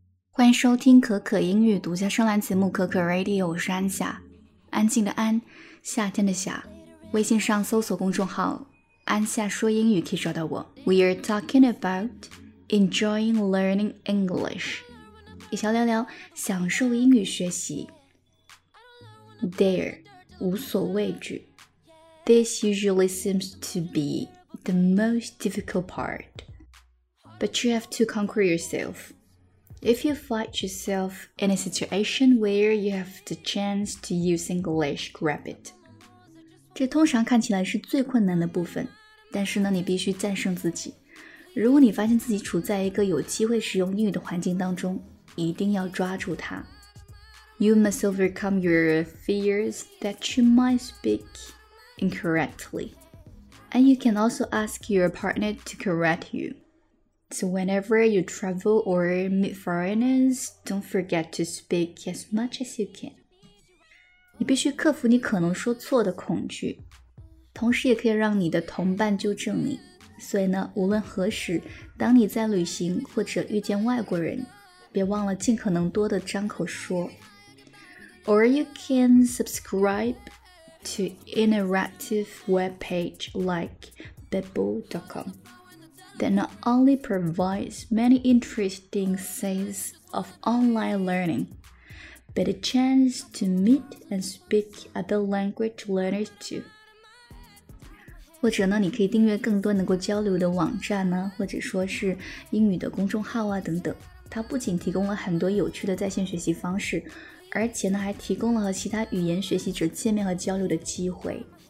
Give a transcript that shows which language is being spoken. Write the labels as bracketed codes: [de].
[zh] 欢迎收听可可英语独家声栏节目可可 Radio， 我是安夏，安静的安，夏天的夏。微信上搜索公众号安夏说英语可以找到我。 [en] We are talking about enjoying learning English， [zh] 一起聊聊享受英语学习。 [en] There， [zh] 无所畏惧。 [en] This usually seems to be the most difficult part， But you have to conquer yourselfIf you find yourself in a situation where you have the chance to use English, grab it. [zh] 这通常看起来是最困难的部分，但是呢，你必须战胜自己。如果你发现自己处在一个有机会使用英语的环境当中，一定要抓住它。 [en] You must overcome your fears that you might speak incorrectly. And you can also ask your partner to correct you. So whenever you travel or meet foreigners, don't forget to speak as much as you can. [zh] 你必须克服你可能说错的恐惧，同时也可以让你的同伴纠正你。所以呢，无论何时，当你在旅行或者遇见外国人，别忘了尽可能多的张口说。 [en] Or you can subscribe to interactive webpage like Babbel.com. That not only provides many interesting scenes of online learning, but a chance to meet and speak other language learners too. [zh] 或者呢，你可以订阅更多能够交流的网站呢，或者说是英语的公众号啊等等。它不仅提供了很多有趣的在线学习方式，而且呢，还提供了和其他语言学习者见面和交流的机会。